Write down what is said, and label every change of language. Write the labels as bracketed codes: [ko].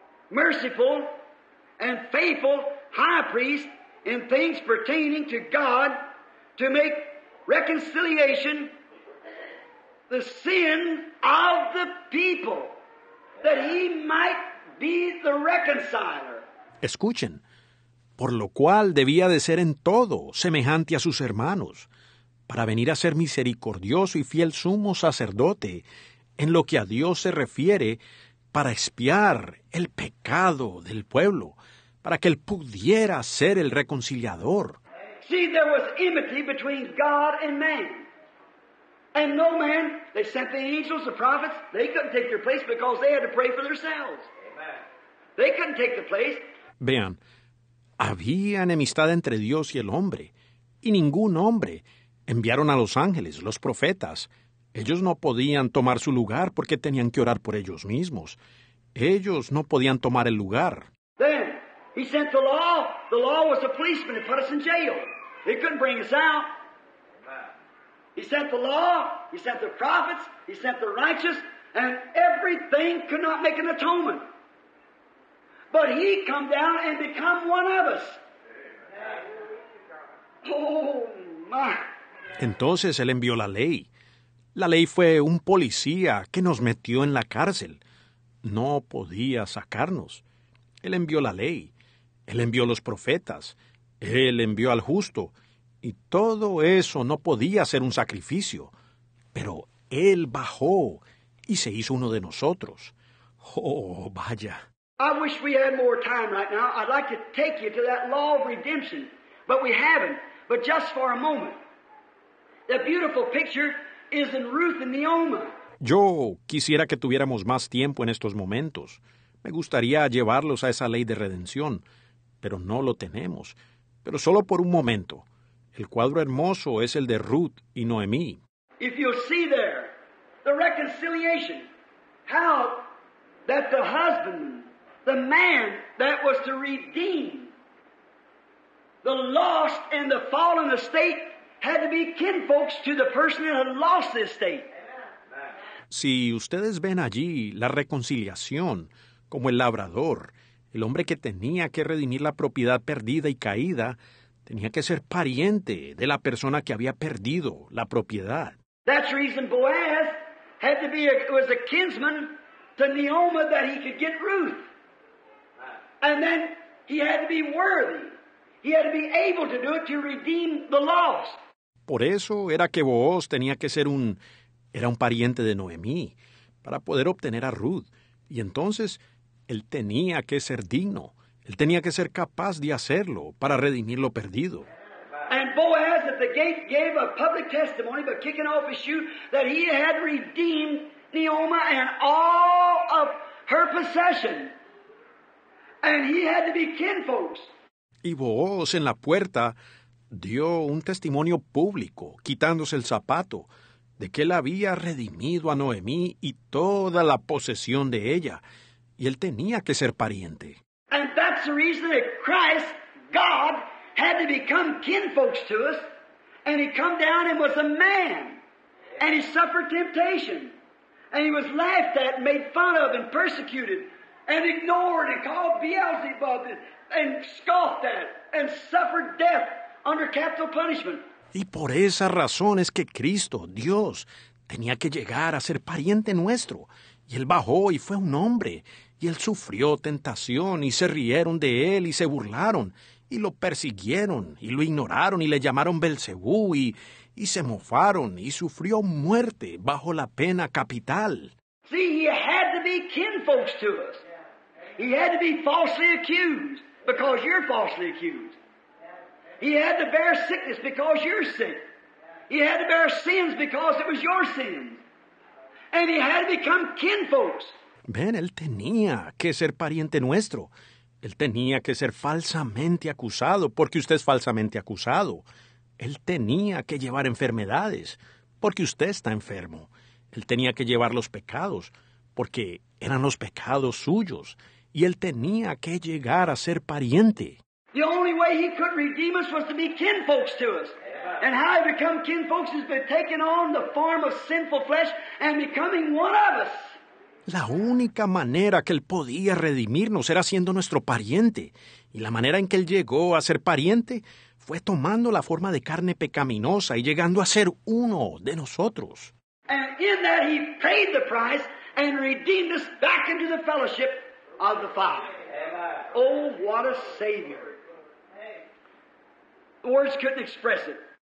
[en] merciful and faithful high priest in things pertaining to God to make reconciliation the sin of the people, that he might be the reconciler. [es] Escuchen, por lo cual debía de ser en todo semejante a sus hermanos, para venir a ser misericordioso y fiel sumo sacerdote en lo que a Dios se refiere, para expiar el pecado del pueblo, para que él pudiera ser el reconciliador. [en] See, there was enmity between God and man. And no man, they sent the angels, the prophets, they couldn't take their place because they had to pray for themselves. Amen. They couldn't take the place. [es] Vean, había enemistad entre Dios y el hombre, y ningún hombre enviaron a los ángeles, los profetas. Ellos no podían tomar su lugar porque tenían que orar por ellos mismos. Ellos no podían tomar el lugar. [en] Then, he sent the law. The law was a policeman. It put us in jail. They couldn't bring us out. He sent the law. He sent the prophets. He sent the righteous. And everything could not make an atonement. But he come down and become one of us. Oh, my. [es] Entonces él envió la ley. La ley fue un policía que nos metió en la cárcel. No podía sacarnos. Él envió la ley. Él envió los profetas. Él envió al justo. Y todo eso no podía ser un sacrificio. Pero él bajó y se hizo uno de nosotros. Oh, vaya. [en] I wish we had more time right now. I'd like to take you to that law of redemption. But we haven't. But just for a moment. The beautiful picture is in Ruth and Naomi. [es] Yo quisiera que tuviéramos más tiempo en estos momentos. Me gustaría llevarlos a esa ley de redención, pero no lo tenemos. Pero solo por un momento. El cuadro hermoso es el de Ruth y Noemí. [en] If you'll see there, the reconciliation, how that the husband, the man that was to redeem the lost and the fallen estate, had to be kinfolks to the person that had lost the estate. [es] Si ustedes ven allí la reconciliación, como el labrador, el hombre que tenía que redimir la propiedad perdida y caída, tenía que ser pariente de la persona que había perdido la propiedad. [en] That's the reason Boaz had to be was a kinsman to Naomi that he could get Ruth. And then he had to be worthy. He had to be able to do it to redeem the lost. [es] Por eso era que Boaz tenía que ser era un pariente de Noemí para poder obtener a Ruth. Y entonces él tenía que ser digno. Él tenía que ser capaz de hacerlo para redimir lo perdido. [en] And Boaz at the gate gave a public testimony by kicking off his shoe that he had redeemed Naomi and all of her possession. And he had to be kinfolks. [es] Y Boaz en la puerta dio un testimonio público, quitándose el zapato, de que él había redimido a Noemí y toda la posesión de ella. Y él tenía que ser pariente. [en] And that's the reason that Christ, God, had to become kinfolks to us. And he come down and was a man. And he suffered temptation. And he was laughed at and made fun of and persecuted. And ignored and called Beelzebub and scoffed at and suffered death under capital punishment. [es] Y por esa razón es que Cristo, Dios, tenía que llegar a ser pariente nuestro. Y él bajó y fue un hombre. Y él sufrió tentación y se rieron de él y se burlaron. Y lo persiguieron y lo ignoraron y le llamaron Belcebú y se mofaron y sufrió muerte bajo la pena capital. [en] See, he had to be kinfolks to us. He had to be falsely accused because you're falsely accused. He had to bear sickness because you're sick. He had to bear sins because it was your sins. And he had to become kinfolks. [es] Ven, él tenía que ser pariente nuestro. Él tenía que ser falsamente acusado porque usted es falsamente acusado. Él tenía que llevar enfermedades porque usted está enfermo. Él tenía que llevar los pecados porque eran los pecados suyos. Y él tenía que llegar a ser pariente. [en] The only way he could redeem us was to be kinfolks to us. And how he become kinfolks is by taking on the form of sinful flesh and becoming one of us. [es] La única manera que él podía redimirnos era siendo nuestro pariente. Y la manera en que él llegó a ser pariente fue tomando la forma de carne pecaminosa y llegando a ser uno de nosotros. [en] And in that he paid the price and redeemed us back into the fellowship of the Father. Oh, what a Savior. Words couldn't express it.